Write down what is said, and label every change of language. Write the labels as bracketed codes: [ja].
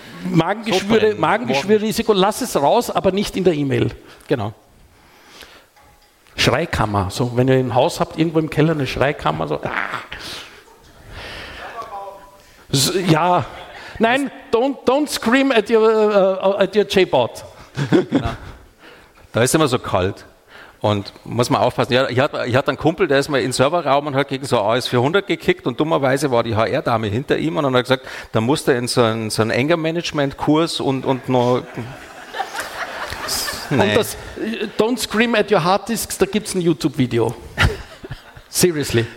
[de] Magengeschwürrisiko, lass es raus, aber nicht in der E-Mail. Genau. Schreikammer, so wenn ihr ein Haus habt, irgendwo im Keller eine Schreikammer, so. Ja, nein, [en] don't scream at your J-Bot. [de] Genau. Da ist immer so kalt. Und muss man aufpassen, ich hatte einen Kumpel, der ist mal in den Serverraum und hat gegen so AS400 gekickt und dummerweise war die HR-Dame hinter ihm und dann hat er gesagt, da muss er in so einen Anger-Management-Kurs und noch. Nee. Und das [en] Don't Scream at Your Hard Disks, [de] da gibt es ein YouTube-Video. [en] Seriously.